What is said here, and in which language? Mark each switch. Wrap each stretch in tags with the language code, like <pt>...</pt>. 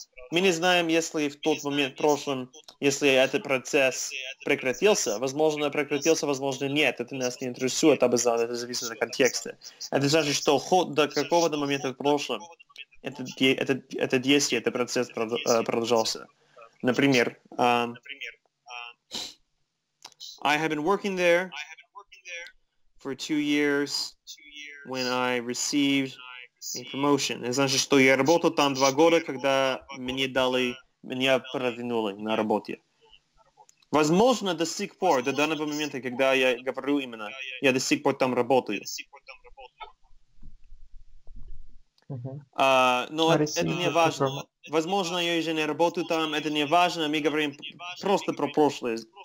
<ru>Мы не знаем, если в тот момент в прошлом, если этот процесс прекратился, возможно, прекратился, возможно, нет. Это нас не интересует обязательно, это зависит от контекста. Это значит, что ход до какого-то момента в прошлом это действие, этот процесс продолжался.</ru> <en>Например, I have been working there for two years when I received a promotion.</en> <ru>Это значит, что я работал там два года, когда меня продвинули на работе. Возможно, до сих пор, до данного момента, когда я говорю именно, я до сих пор там работаю. Но это не важно. Возможно, я уже не работаю там, это не важно, мы говорим просто про прошлое.</ru>